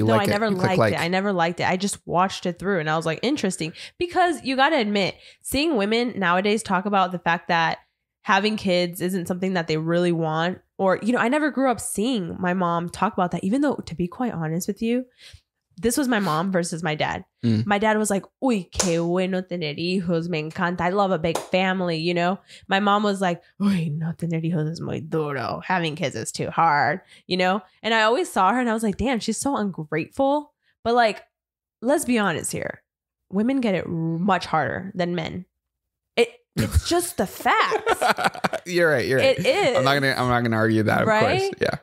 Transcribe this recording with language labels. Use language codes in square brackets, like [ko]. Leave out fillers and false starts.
[en] I never liked it. I just watched it through and I was like, interesting. Because you got to admit, seeing women nowadays talk about the fact that having kids isn't something that they really want. Or, you know, I never grew up seeing my mom talk about that, even though, to be quite honest with you, this was my mom versus my dad. Mm. My dad was like, [es] uy, que bueno tener hijos, me encanta. [en] I love a big family, you know? My mom was like, [es] uy, no tener hijos es muy duro. [en] Having kids is too hard, you know? And I always saw her and I was like, damn, she's so ungrateful. But like, let's be honest here. Women get it much harder than men. It's just the facts. You're right. It is. I'm not gonna argue that, right? Of course. Yeah.